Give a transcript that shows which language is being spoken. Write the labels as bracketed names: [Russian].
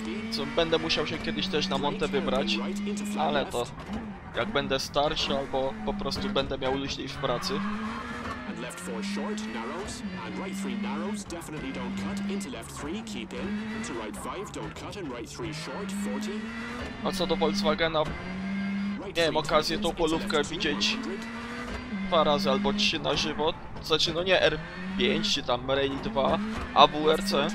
[Polish] Co, będę musiał się kiedyś też na Monte wybrać, ale to jak będę starszy albo po prostu będę miał luźniej w pracy. [English] Left 4 short, narrows, and right 3 narrows, definitely don't cut, into left 3, keep in, into right 5, don't cut, and right 3 short, 40. [Polish] A co do Volkswagena, nie mam okazję tą polówkę widzieć dwa razy albo trzy na żywo, znaczy no nie R5 czy tam Rally 2, a WRC